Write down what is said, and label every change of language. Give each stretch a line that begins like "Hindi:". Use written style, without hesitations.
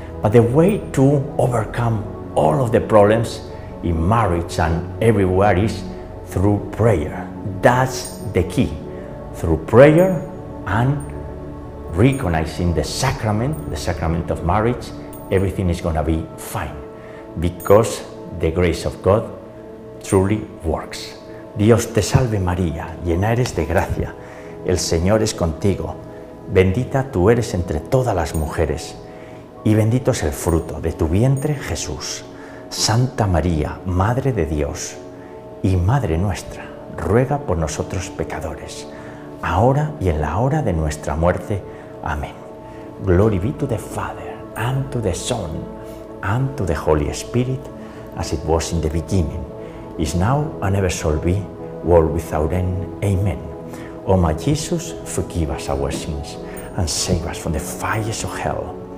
English: But the way to overcome all of the problems in marriage and everywhere is through prayer. That's the key. Through prayer and recognizing the sacrament of marriage, everything is going to be fine. Because the grace of God truly works.
Spanish: Dios te salve María, llena eres de gracia, el Señor es contigo, bendita tú eres entre todas las mujeres, y bendito es el fruto de tu vientre, Jesús. Santa María, Madre de Dios y Madre nuestra, ruega por nosotros pecadores, ahora y en la hora de nuestra muerte. Amén.
English: Glory be to the Father, and to the Son, and to the Holy Spirit, as it was in the beginning, is now, and ever shall be, world without end. Amen. O my Jesus, forgive us our sins, and save us from the fires of hell.